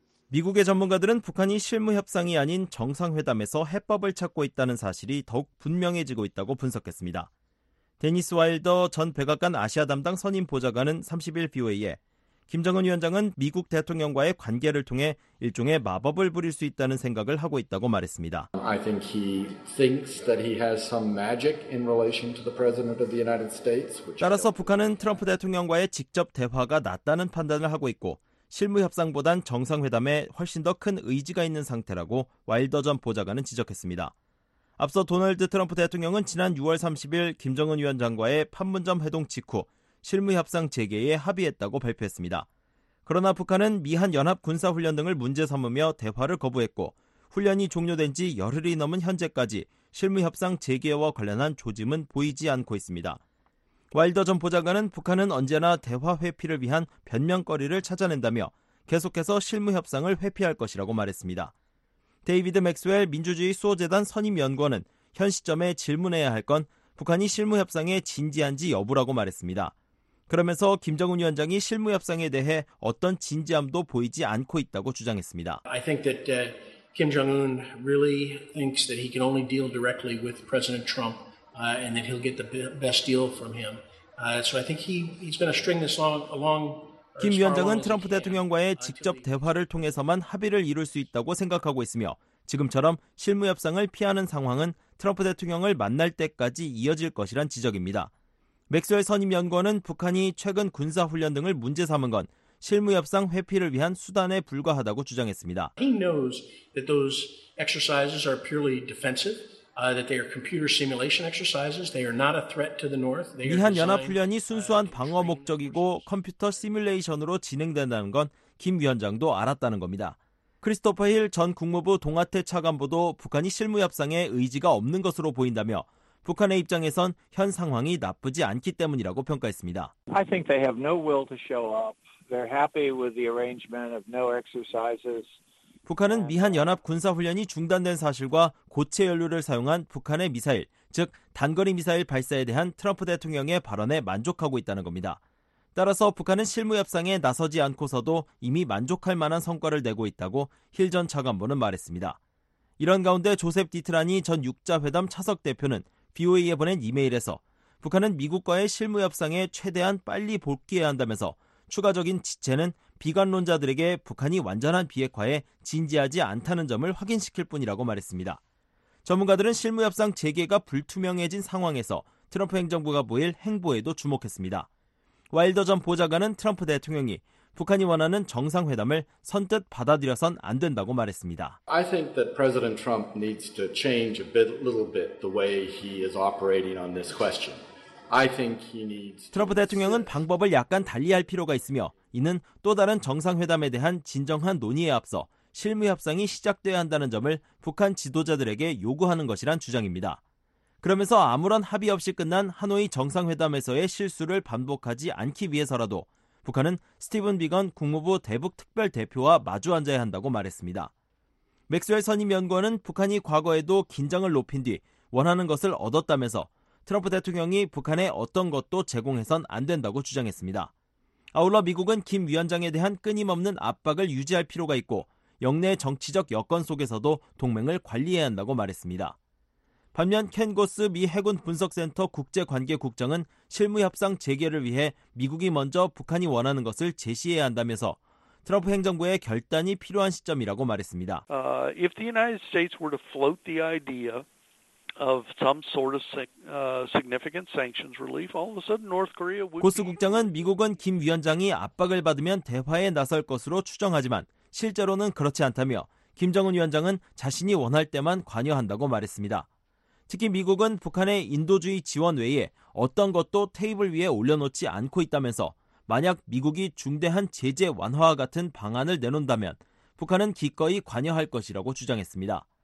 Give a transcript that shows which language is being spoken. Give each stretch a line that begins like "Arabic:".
Korean: 미국의 전문가들은 북한이 실무 협상이 아닌 정상회담에서 해법을 찾고 있다는 사실이 더욱 분명해지고 있다고 분석했습니다. 데니스 와일더 전 백악관 아시아 담당 선임 보좌관은 30일 BOA에 김정은 위원장은 미국 대통령과의 관계를 통해 일종의 마법을 부릴 수 있다는 생각을 하고 있다고 말했습니다.
English: I think he thinks that he has some magic in relation to the president of the United States.
Korean: 따라서 북한은 트럼프 대통령과의 직접 대화가 낫다는 판단을 하고 있고 실무 협상보단 정상회담에 훨씬 더 큰 의지가 있는 상태라고 와일더 전 보좌관은 지적했습니다. 앞서 도널드 트럼프 대통령은 지난 6월 30일 김정은 위원장과의 판문점 회동 직후 실무 협상 재개에 합의했다고 발표했습니다. 그러나 북한은 미한 연합 군사 훈련 등을 문제 삼으며 대화를 거부했고 훈련이 종료된 지 열흘이 넘은 현재까지 실무 협상 재개와 관련한 조짐은 보이지 않고 있습니다. 와일더 전 보좌관은 북한은 언제나 대화 회피를 위한 변명거리를 찾아낸다며 계속해서 실무 협상을 회피할 것이라고 말했습니다. 데이비드 맥스웰 민주주의 수호재단 선임 연구원은 현 시점에 질문해야 할 건 북한이 실무 협상에 진지한지 여부라고 말했습니다. 그러면서 김정은 위원장이 실무 협상에 대해 어떤 진지함도 보이지 않고 있다고 주장했습니다.
English: I think that Kim Jong-un really thinks that he can only deal directly with President Trump and that he'll get the best deal from him. So I think he's going to string this along.
Korean: 김 위원장은 트럼프 대통령과의 직접 대화를 통해서만 합의를 이룰 수 있다고 생각하고 있으며 지금처럼 실무 협상을 피하는 상황은 트럼프 대통령을 만날 때까지 이어질 것이란 지적입니다. 맥스웰 선임 연구원은 북한이 최근 군사 훈련 등을 문제 삼은 건 실무 협상 회피를 위한 수단에 불과하다고 주장했습니다.
English: He knows that those exercises are purely defensive. That they are computer simulation exercises. They are not a threat to the North.
Korean: 미한 연합 훈련이 순수한 방어 목적이고 컴퓨터 시뮬레이션으로 진행된다는 건 김 위원장도 알았다는 겁니다. 크리스토퍼 힐 전 국무부 동아태 차관보도 북한이 실무 협상에 의지가 없는 것으로 보인다며 북한의 입장에선 현 상황이 나쁘지 않기 때문이라고 평가했습니다.
English: I think they have no will to show up. They're happy with the arrangement of no exercises.
Korean: 북한은 미한 연합 군사 훈련이 중단된 사실과 고체 연료를 사용한 북한의 미사일, 즉 단거리 미사일 발사에 대한 트럼프 대통령의 발언에 만족하고 있다는 겁니다. 따라서 북한은 실무 협상에 나서지 않고서도 이미 만족할 만한 성과를 내고 있다고 힐 전 차관보는 말했습니다. 이런 가운데 조셉 디트라니 전 6자회담 차석 대표는 BOA에 보낸 이메일에서 북한은 미국과의 실무 협상에 최대한 빨리 복귀해야 한다면서 추가적인 지체는 비관론자들에게 북한이 완전한 비핵화에 진지하지 않다는 점을 확인시킬 뿐이라고 말했습니다. 전문가들은 실무협상 재개가 불투명해진 상황에서 트럼프 행정부가 보일 행보에도 주목했습니다. 와일더 전 보좌관은 트럼프 대통령이 북한이 원하는 정상회담을 선뜻 받아들여선 안 된다고 말했습니다.
English: I think that President Trump needs to change a little bit the way he is operating on this question. I think he needs
Korean: 트럼프 대통령은 방법을 약간 달리할 필요가 있으며 이는 또 다른 정상회담에 대한 진정한 논의에 앞서 실무 협상이 시작돼야 한다는 점을 북한 지도자들에게 요구하는 것이란 주장입니다. 그러면서 아무런 합의 없이 끝난 하노이 정상회담에서의 실수를 반복하지 않기 위해서라도 북한은 스티븐 비건 국무부 대북 특별 대표와 마주 앉아야 한다고 말했습니다. 맥스웰 선임 연구원은 북한이 과거에도 긴장을 높인 뒤 원하는 것을 얻었다면서 트럼프 대통령이 북한에 어떤 것도 제공해선 안 된다고 주장했습니다. 아울러 미국은 김 위원장에 대한 끊임없는 압박을 유지할 필요가 있고 영내 정치적 여건 속에서도 동맹을 관리해야 한다고 말했습니다. 반면 켄 고스 미 해군 분석센터 국제관계국장은 실무협상 재개를 위해 미국이 먼저 북한이 원하는 것을 제시해야 한다면서 트럼프 행정부의 결단이 필요한 시점이라고 말했습니다.
English: If the United States were to float the idea of some sort of significant sanctions relief, all of a sudden North Korea would.
Korean: 고스 국장은 미국은 김 위원장이 압박을 받으면 대화에 나설 것으로 추정하지만 실제로는 그렇지 않다며 김정은 위원장은 자신이 원할 때만 관여한다고 말했습니다. 특히 미국은 북한의 인도주의 지원 외에 어떤 것도 테이블 위에 올려놓지 않고 있다면서 만약 미국이 중대한 제재 완화와 같은 방안을 내놓는다면 북한은 기꺼이 관여할 것이라고 주장했습니다.